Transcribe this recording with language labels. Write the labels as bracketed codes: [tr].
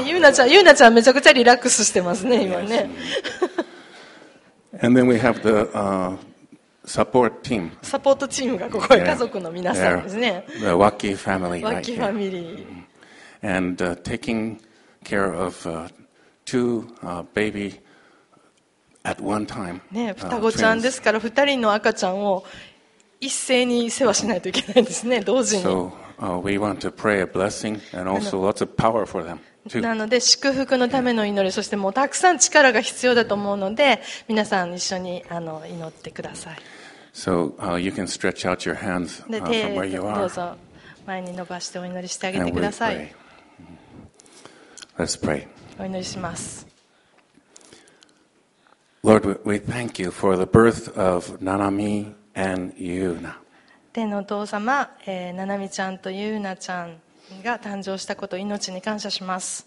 [ja] ね、Yuna ちゃん、Yuna ちゃんめちゃくちゃリラックスしてますね、今ね。 [en] And then we have the support team. [ja] サポートチームがここへ、家族の皆さんですね。 [en] The Waki family. Waki family. And taking care of two baby at one time. [ja] ね、双子ちゃんですから、二人の赤ちゃんを一斉に世話しないといけないんですね、同時に。 [en] So we want to pray a blessing and also lots of power for them. [ja] なので祝福のための祈り、そしてもうたくさん力が必要だと思うので、皆さん一緒にあの祈ってください。 [en] So, you can stretch out your hands, [ja] で手をどうぞ前に伸ばしてお祈りしてあげてください。 [en] Let's pray. [ja] お祈りします。 [en] Lord, we thank you for the birth of Nanami and Yuna. [ja] 天のお父様、ななみちゃんとゆうなちゃんが誕生したこと、命に感謝します。